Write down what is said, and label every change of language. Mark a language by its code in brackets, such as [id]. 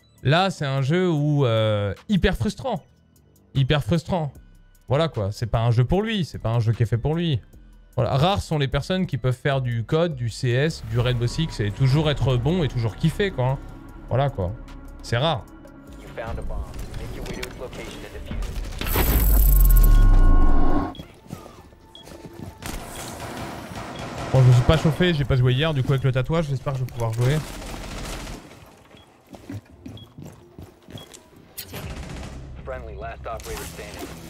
[fr] Là, c'est un jeu où... hyper frustrant. Hyper frustrant. Voilà, quoi. C'est pas un jeu pour lui, c'est pas un jeu qui est fait pour lui. Voilà. Rares sont les personnes qui peuvent faire du code, du CS, du Rainbow Six et toujours être bon et toujours kiffer, quoi. Voilà, quoi. C'est rare. [en] You found a bomb. Make your way to its location and defuse. [fr] Bon, je me suis pas chauffé, j'ai pas joué hier, du coup avec le tatouage, j'espère que je vais pouvoir jouer. [en] Friendly, last operator standing.